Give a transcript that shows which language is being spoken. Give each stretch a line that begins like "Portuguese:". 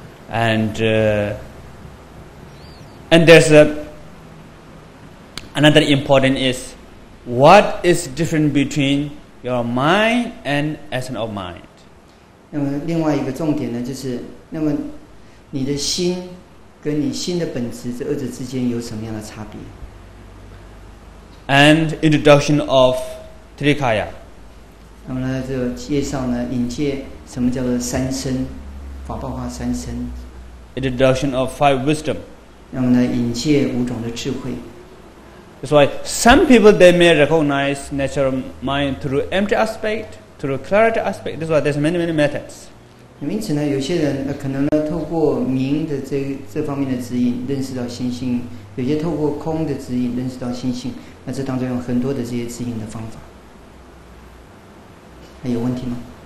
English: And there's another important is, what is different between your mind and essence of mind?
Chinese: 那么另外一个重点呢，就是那么你的心跟你心的本质这二者之间有什么样的差别？
English: And introduction of Trikaya.
Chinese: 那么呢，这个介绍呢，引介什么叫做三身，法报化三身。
English: Introduction of five wisdom.
Chinese: 那么呢，引介五种的智慧。
English: That's why some people they may recognize natural mind through empty aspect, through clarity aspect. That's why there's many methods.
Chinese: 因此呢，有些人可能呢，透过明的这方面的指引，认识到心性；有些透过空的指引，认识到心性。那这当中有很多的这些指引的方法，还有问题吗